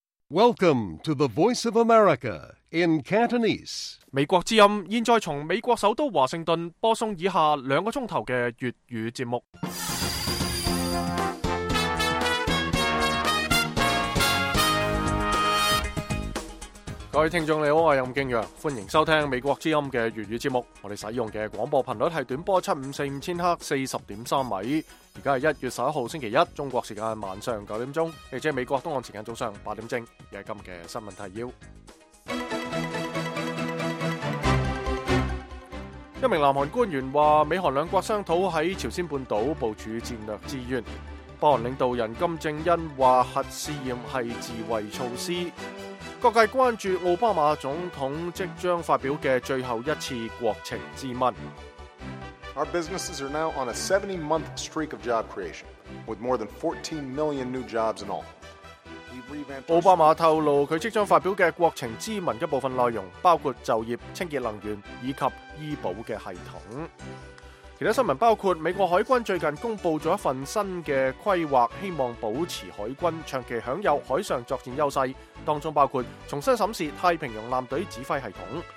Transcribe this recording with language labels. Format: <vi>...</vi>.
<en>Welcome to the Voice of America in Cantonese.</en> <yue>美国之音现在从美国首都华盛顿播送以下两个钟头的粤语节目。各位听众你好，我是任敬阳，欢迎收听美国之音的粤语节目。我们使用的广播频率是短波75,000赫40.3米。现在是1月11号星期一，中国时间晚上9点钟，也就是美国东岸时间早上8点钟，也是今天的新闻提要。一名南韩官员说，美韩两国商讨在朝鲜半岛部署战略支援。北韩领导人金正恩说，核试验是自卫措施。各界关注奥巴马总统即将发表的最后一次国情咨文。</yue> <en>Our businesses are now on a 70-month streak of job creation, with more than 14 million new jobs in all.</en> <yue>奥巴马透露他即将发表的国情咨文的部分内容，包括就业、清洁能源以及医保的系统。其他新闻包括，美国海军最近公布了一份新的规划，希望保持海军长期享有海上作战优势，当中包括重新审视太平洋舰队指挥系统。</yue>